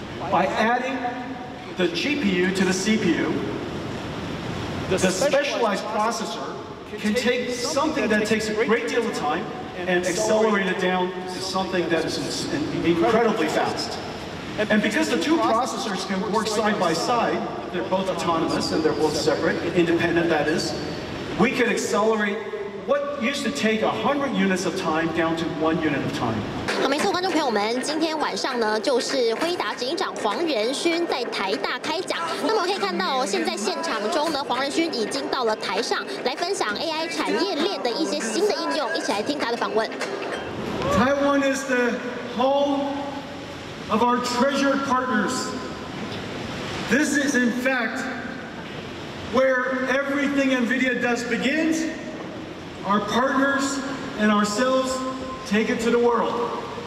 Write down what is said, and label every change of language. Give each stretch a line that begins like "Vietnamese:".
English: By adding the GPU to the CPU, the specialized processor can take something that takes a great deal of time and accelerate it down to something that is incredibly fast. And because the two processors can work side by side, they're both autonomous and they're both separate, independent that is, we can accelerate what used to take 100 units of time down to 1 unit of time.
Chinese: 观众朋友们，今天晚上呢，就是辉达执行长黄仁勋在台大开讲。那么可以看到，现在现场中呢，黄仁勋已经到了台上来分享 AI 产业链的一些新的应用，一起来听他的访问。
English: Taiwan is the home of our treasured partners. This is in fact where everything NVIDIA does begins. Our partners and ourselves take it to the world.